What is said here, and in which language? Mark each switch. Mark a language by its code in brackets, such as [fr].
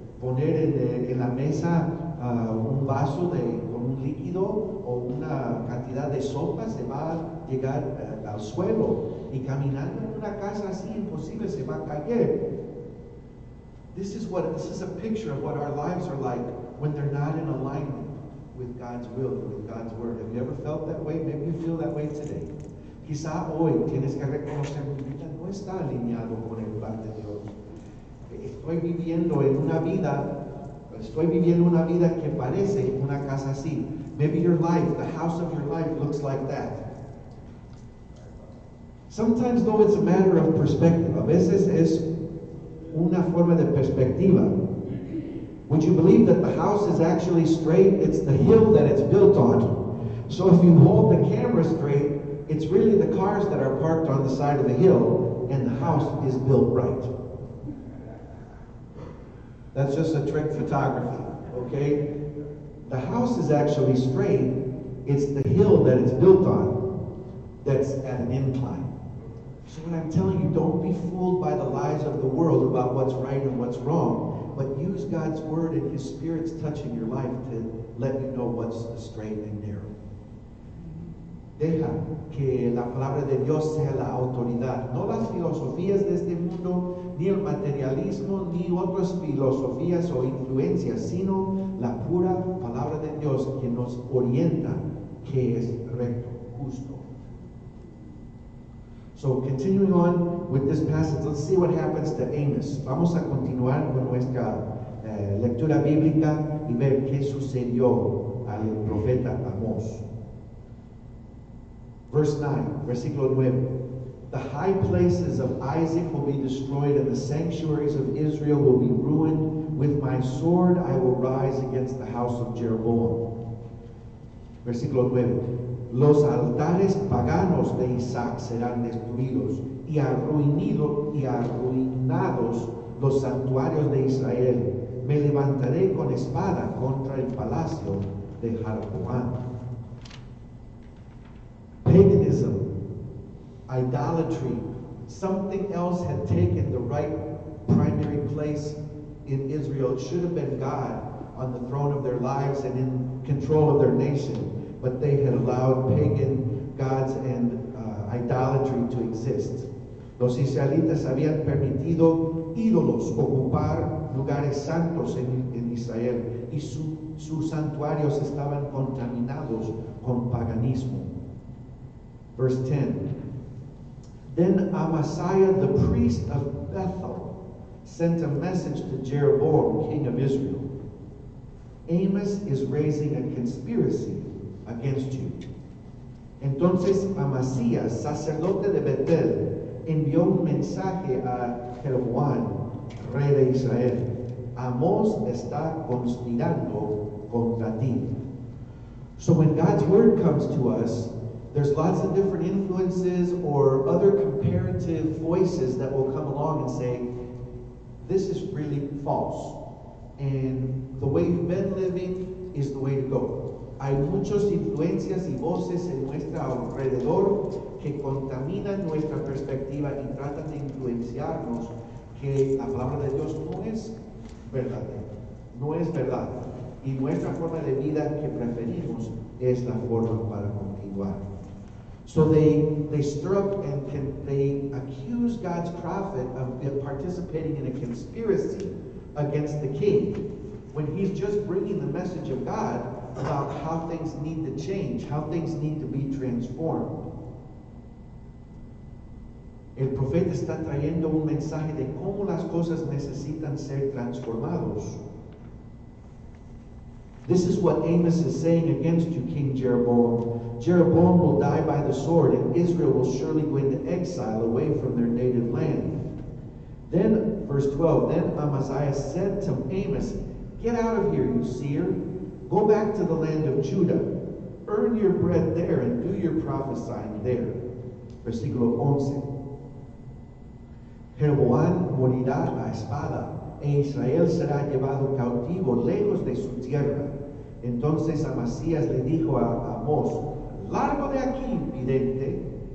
[es] Poner en la mesa un vaso de con un líquido o una cantidad de sopa se va a llegar al suelo. Y caminando en una casa así, imposible, se va a caer. [en] This is a picture of what our lives are like when they're not in alignment with God's will, with God's word. Have you ever felt that way? Maybe you feel that way today. [es] Quizá hoy tienes que reconocer que tu vida no está alineado con el plan de Dios. Estoy viviendo una vida que parece una casa así. [en] Maybe your life, the house of your life, looks like that. Sometimes, though, it's a matter of perspective. [es] A veces es una forma de perspectiva. [en] Would you believe that the house is actually straight? It's the hill that it's built on. So if you hold the camera straight, it's really the cars that are parked on the side of the hill, and the house is built right. That's just a trick photography, okay? The house is actually straight. It's the hill that it's built on that's at an incline. So what I'm telling you, don't be fooled by the lies of the world about what's right and what's wrong, but use God's word and his Spirit's touch in your life to let you know what's straight and narrow. [es] Deja que la palabra de Dios sea la autoridad. No las filosofías de este mundo, ni el materialismo, ni otras filosofías o influencias, sino la pura palabra de Dios que nos orienta que es recto, justo. [en] So continuing on with this passage, let's see what happens to Amos. [es] Vamos a continuar con nuestra lectura bíblica y ver qué sucedió al profeta Amos. [en] Verse 9, [es] versículo 9. [en] The high places of Isaac will be destroyed and the sanctuaries of Israel will be ruined. With my sword I will rise against the house of Jeroboam. [es] Versículo 9. Los altares paganos de Isaac serán destruidos y arruinados los santuarios de Israel. Me levantaré con espada contra el palacio de Jeroboam. [en] Paganism, idolatry, something else had taken the right primary place in Israel. It should have been God on the throne of their lives and in control of their nation, but they had allowed pagan gods and idolatry to exist. [es] Los israelitas habían permitido ídolos ocupar lugares santos en Israel y sus santuarios estaban contaminados con paganismo. [en] Verse 10, Then Amasiah, the priest of Bethel, sent a message to Jeroboam, king of Israel. Amos is raising a conspiracy against you. [es] Entonces Amasías, sacerdote de Betel, envió un mensaje a Jeroboam, rey de Israel. Amos está conspirando contra ti. [en] So when God's word comes to us, there's lots of different influences or other comparative voices that will come along and say, this is really false. And the way you've been living is the way to go. [es] Hay muchas influencias y voces en nuestro alrededor que contaminan nuestra perspectiva y tratan de influenciarnos que la palabra de Dios no es verdad. No es verdad. Y nuestra forma de vida que preferimos es la forma para continuar. [en] So they stir up and they accuse God's prophet of participating in a conspiracy against the king when he's just bringing the message of God about how things need to change, how things need to be transformed. [es] El profeta está trayendo un mensaje de cómo las cosas necesitan ser transformados. [en] This is what Amos is saying against you, King Jeroboam. Jeroboam will die by the sword, and Israel will surely go into exile away from their native land. Then, verse 12, then Amaziah said to Amos, get out of here, you seer. Go back to the land of Judah. Earn your bread there and do your prophesying there. [es] Versículo 11. Jeroboam morirá a espada, e Israel será llevado cautivo lejos de su tierra. Entonces Amasías le dijo a Amos, largo de aquí, vidente.